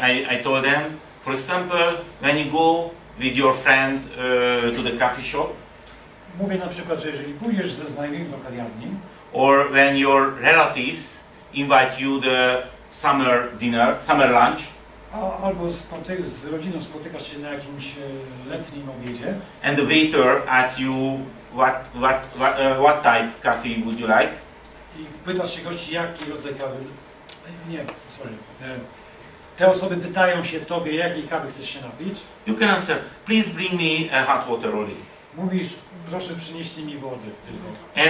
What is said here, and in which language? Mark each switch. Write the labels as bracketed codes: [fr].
[en] I told them, for example, when you go with your friend to the coffee shop. [pl] Mówię na przykład, że jeżeli pójdziesz ze znajomym do kawiarni. [en] Or when your relatives invite you the summer dinner, summer lunch. [pl] Albo z rodziną spotykasz się na jakimś letnim obiedzie. [en] And the waiter asks you. What type coffee would you like? [pl] I pytasz się gości, jaki rodzaj kawy. Nie, sorry. Te osoby pytają się tobie, jakiej kawy chcesz się napić. [en] You can answer, please bring me a hot water only. [pl] Mówisz, proszę przynieść mi wodę tylko.